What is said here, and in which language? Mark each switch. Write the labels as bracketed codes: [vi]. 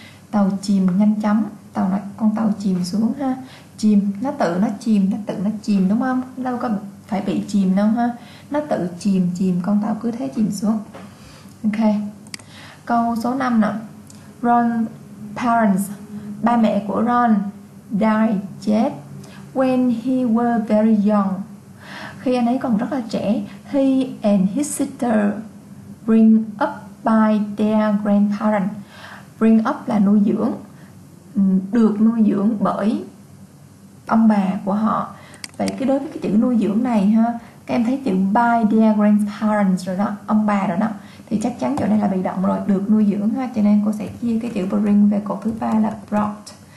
[vi] Tàu chìm nhanh chóng, tàu nó, con tàu chìm xuống ha, chìm, nó tự chìm đúng không, đâu có phải bị chìm đâu ha, nó tự chìm, con tàu cứ thế chìm xuống. Ok, câu số 5 nè. [en] Ron's parents, [vi] ba mẹ của Ron [en] died, [vi] chết, [en] when he were very young, [vi] khi anh ấy còn rất là trẻ. [en] He and his sister bring up by their grandparents. Bring up [vi] là nuôi dưỡng, được nuôi dưỡng bởi ông bà của họ. Vậy cái đối với cái chữ nuôi dưỡng này ha, các em thấy chữ [en] by their grandparents [vi] rồi đó, ông bà rồi đó, thì chắc chắn chỗ này là bị động rồi, được nuôi dưỡng ha, cho nên cô sẽ chia cái chữ bring về cột thứ ba là brought.